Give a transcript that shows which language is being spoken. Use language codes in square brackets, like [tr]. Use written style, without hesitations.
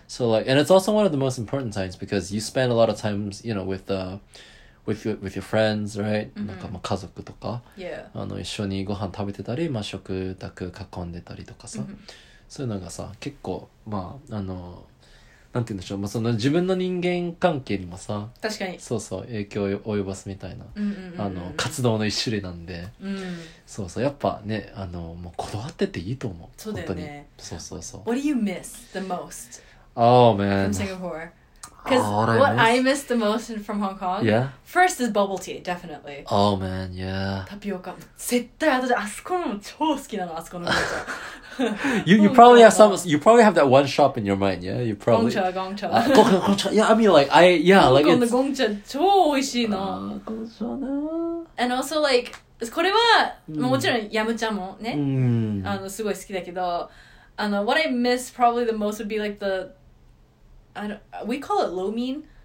[en] So like, and it's also one of the most important times because you spend a lot of times, you know, with your friends, right? [ja] なんか、まあ、家族とか、一緒にご飯食べてたり、まあ、食卓囲んでたりとかさ。そういうのがさ、結構、まあ、なんて言うんでしょう、まあ、その自分の人間関係にもさ、確かに。そうそう、影響を及ぼすみたいな、活動の一種類なんで。そうそう、やっぱね、もう、こだわってていいと思う。そうだよね。そうそうそう。 [en] What do you miss the most? Oh, man. From Singapore. What I miss the most from Hong Kong? Yeah. First is bubble tea, definitely. Oh, man, yeah. Tapioca. [ja] 絶対私、あそこのも超好きなの、あそこの。 [en] You probably have that one shop in your mind, yeah? You probably... Gongcha. Yeah, I mean, like, I... Yeah, like, it's... And also, like... [ja] これは、もちろん、ヤムチャもね、すごい好きだけど、 [en] what I miss probably the most would be, like, the... we call it lo mein.